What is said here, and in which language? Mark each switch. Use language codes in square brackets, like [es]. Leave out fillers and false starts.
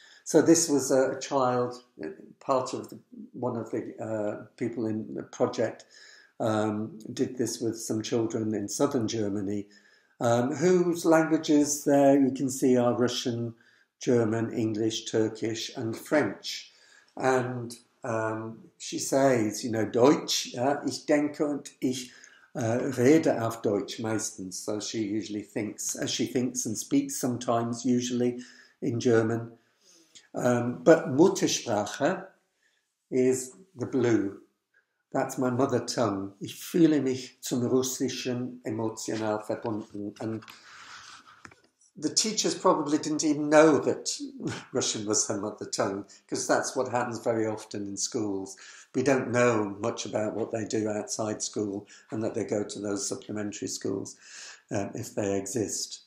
[en] So this was a child, part of one of the people in the project, did this with some children in southern Germany, whose languages there you can see are Russian, German, English, Turkish and French. And she says, you know, [de] Deutsch, ich denke und ich rede auf Deutsch meistens. [en] So she usually thinks, as she thinks and speaks sometimes, usually in German. But Muttersprache is the blue. That's my mother tongue. [de] Ich fühle mich zum Russischen emotional verbunden. [en] And the teachers probably didn't even know that Russian was her mother tongue, because that's what happens very often in schools. We don't know much about what they do outside school and that they go to those supplementary schools if they exist.